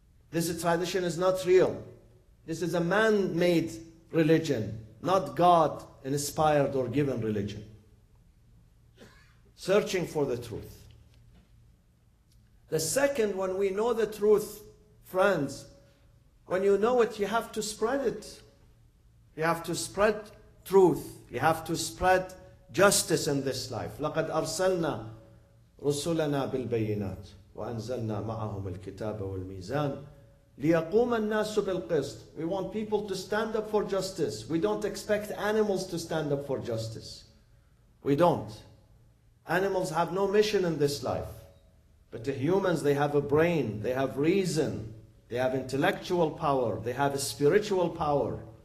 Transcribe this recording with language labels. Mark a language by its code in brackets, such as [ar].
[en] This tradition is not real. This is a man-made religion, not God-inspired or given religion. Searching for the truth. The second, when we know the truth, friends, when you know it, you have to spread it. You have to spread truth. You have to spread justice in this life. [ar] لقد أرسلنا رسلنا بالبينات وأنزلنا معهم الكتاب والميزان ليقوم الناس بالقسط. [en] We want people to stand up for justice. We don't expect animals to stand up for justice. We don't. Animals have no mission in this life. But the humans, they have a brain, they have reason, they have intellectual power, they have a spiritual power.